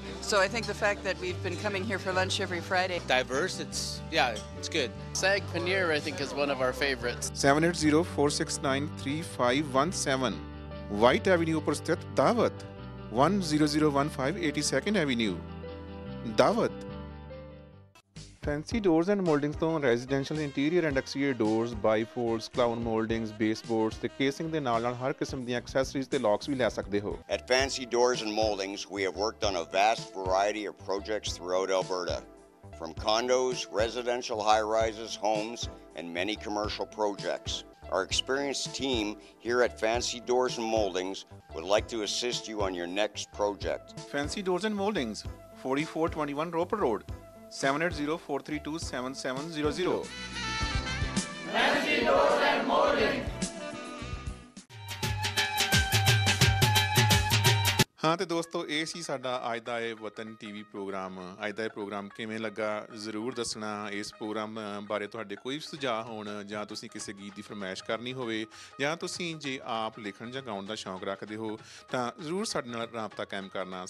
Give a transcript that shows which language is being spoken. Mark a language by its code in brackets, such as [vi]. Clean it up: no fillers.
[en] So I think the fact that we've been coming here for lunch every Friday. Diverse, it's good. Sag paneer I think is one of our favorites. [pa] 780-469-3517 White Avenue ਉੱਪਰ ਸਥਿਤ ਦਾਵਤ 10015 82nd Avenue Dawat. Fancy doors and ਮੋਲਡਿੰਗਸ ਤੋਂ residential interior and exterior doors, ਬਾਈਫੋਲਡਸ, clown ਮੋਲਡਿੰਗਸ, ਬੇਸਬੋਰਡਸ ਤੇ casing ਦੇ ਨਾਲ ਨਾਲ ਹਰ ਕਿਸਮ ਦੀਆਂ accessories ਤੇ ਲੌਕਸ ਵੀ ਲੈ ਸਕਦੇ ਹੋ। [en] At Fancy Doors and Moldings, we have worked on a vast variety of projects throughout Alberta, from condos, residential high-rises, homes, and many commercial projects. Our experienced team here at Fancy Doors and Moldings would like to assist you on your next project. Fancy Doors and Moldings, 4421 Roper Road, 780-432-7700. Fancy Doors and Moldings. [pa] ਹਾਂ ਤੇ ਦੋਸਤੋ, ਇਹ ਸੀ ਸਾਡਾ ਅੱਜ ਦਾ ਇਹ ਵਤਨ TV programme. ਅੱਜ ਦਾ ਇਹ ਪ੍ਰੋਗਰਾਮ ਕਿਵੇਂ ਲੱਗਾ ਜ਼ਰੂਰ ਦੱਸਣਾ। ਇਸ ਪ੍ਰੋਗਰਾਮ ਬਾਰੇ ਤੁਹਾਡੇ ਕੋਈ ਸੁਝਾਅ ਹੋਣ ਜਾਂ ਤੁਸੀਂ ਕਿਸੇ ਗੀਤ ਦੀ ਫਰਮਾਇਸ਼ ਕਰਨੀ ਹੋਵੇ ਜਾਂ ਤੁਸੀਂ ਜੇ ਆਪ ਲਿਖਣ ਜਾਂ ਗਾਉਣ ਦਾ ਸ਼ੌਂਕ ਰੱਖਦੇ ਹੋ ਤਾਂ ਜ਼ਰੂਰ ਸਾਡੇ ਨਾਲ ਰਾਬਤਾ ਕਾਇਮ ਕਰਨਾ।